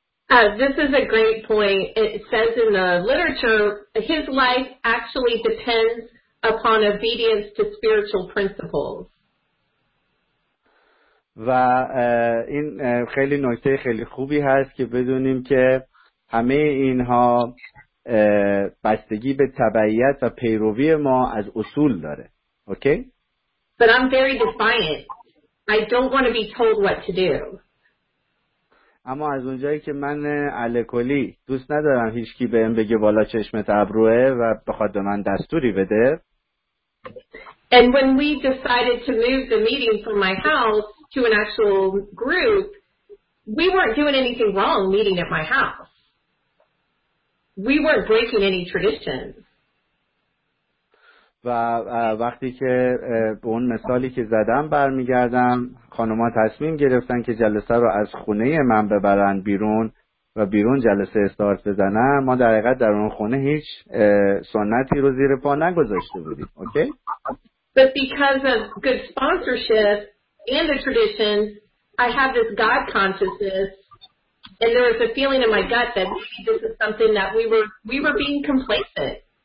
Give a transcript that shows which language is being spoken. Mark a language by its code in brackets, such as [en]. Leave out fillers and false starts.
[en] This is a great point. It says in the literature, his life actually depends upon obedience to spiritual principles. [fa] و این خیلی نکته خیلی خوبی هست که بدونیم که همه اینها بستگی به تبعیت و پیروی ما از اصول داره. [en] Okay? But I'm very defiant. I don't want to be told what to do. [fa] اما از اونجایی که من الکلی دوست ندارم هیچ کی بهم بگه بالا چشمت ابروه و بخواد به من دستوری بده. [en] And when we decided to move the meeting from my house to an actual group, we weren't doing anything wrong meeting at my house. We weren't breaking any traditions. [fa] و وقتی که به اون مثالی که زدم برمیگردم، خانم‌ها تصمیم گرفتن که جلسه رو از خونه من ببرن بیرون و بیرون جلسه استارت بزنن، ما در حقیقت در اون خونه هیچ سنتی رو زیر پا نگذاشته بودیم. [en] Okay? But because of good sponsorship and the tradition, I have this God consciousness, and there is a feeling in my gut that maybe this is something that we were being complacent.